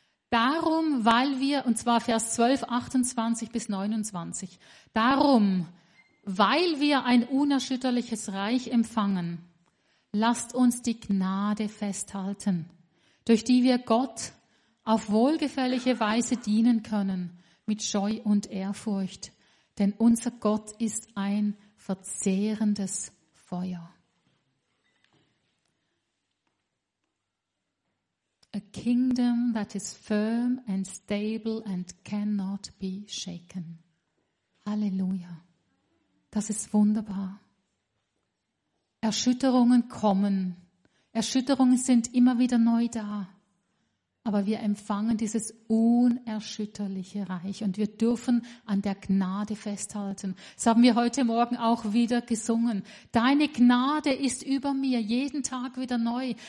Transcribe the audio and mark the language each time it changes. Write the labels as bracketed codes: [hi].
[de] Darum, weil wir, und zwar Vers 12, 28 bis 29, darum, weil wir ein unerschütterliches Reich empfangen, lasst uns die Gnade festhalten, durch die wir Gott auf wohlgefällige Weise dienen können, mit Scheu und Ehrfurcht. Denn unser Gott ist ein verzehrendes Feuer. [en] A kingdom that is firm and stable and cannot be shaken. [de] Halleluja. Das ist wunderbar. Erschütterungen kommen. Erschütterungen sind immer wieder neu da. Aber wir empfangen dieses unerschütterliche Reich und wir dürfen an der Gnade festhalten. Das haben wir heute Morgen auch wieder gesungen. Deine Gnade ist über mir, jeden Tag wieder neu.